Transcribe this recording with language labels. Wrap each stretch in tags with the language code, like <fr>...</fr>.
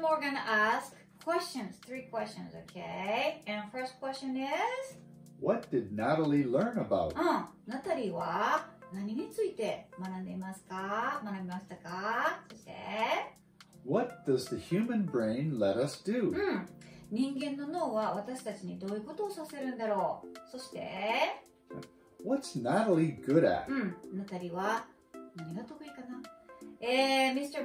<en>Morgan asks questions, three questions, okay? And first question is? What did Natalie learn about?</en> <ja>Natalie は何について学んでいますか? 学びましたか?そして?</ja> <en>What does the human brain let us do?</en> <ja>人間の脳は私たちにどういうことをさせるんだろう。そして</ja> <en>What's Natalie good at?</en> <ja>ナタリーは何が得意かな、Mr.</ja>